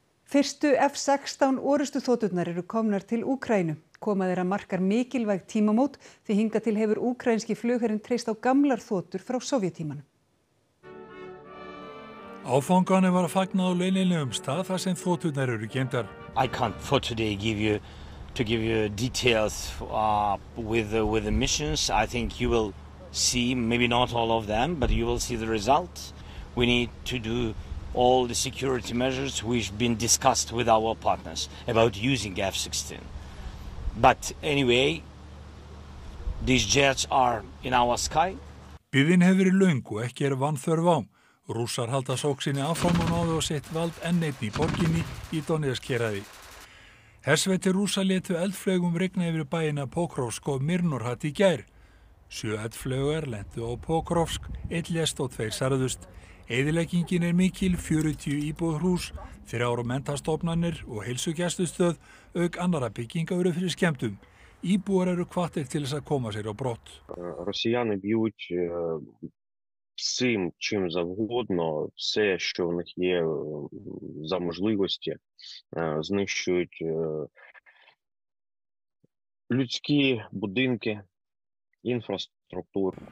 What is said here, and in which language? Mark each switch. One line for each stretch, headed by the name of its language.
Icelandic: Fyrstu F-16 orrustuþoturnar eru komnar til Úkraínu. Koma þeirra markar mikilvæg tímamót því hinga til hefur úkraínski flugherinn treyst á gamlar þotur frá sovjetímanum. Áfanganum var að fagna á leynilegum stað þar sem þoturnar eru geymdar.
English: I can't for today give you details with the missions. I think you will see maybe not all of them, but you will see the result. We need to do all the security measures which been discussed with our partners about using F-16. But anyway, these jets are in our sky.
Icelandic: Biðin hefur verið löng og ekki er vanþörf á. Rússar halda sók sinni áfram og náðu og sett vald enn einn í borginni í Donetsk-héraði. Hersveitir rússar létu eldflaugum rigna yfir bæina Pokrovsk og Mirnorhat í gær. Sjö eldflaugar lentu á Pokrovsk, einn lést og tveir særðust. Eyðileggingin er mikil, 40 íbúð hús, 3 mentastofnanir og heilsugæslustöð auk annarra bygginga eru fyrir skemmtum. Íbúar eru hvattir til þess að koma sér á brott.
Ukrainian: Росіяни б'ють всім, чим завгодно, все, що у них є за можливості, знищують людські будинки, інфраструктуру.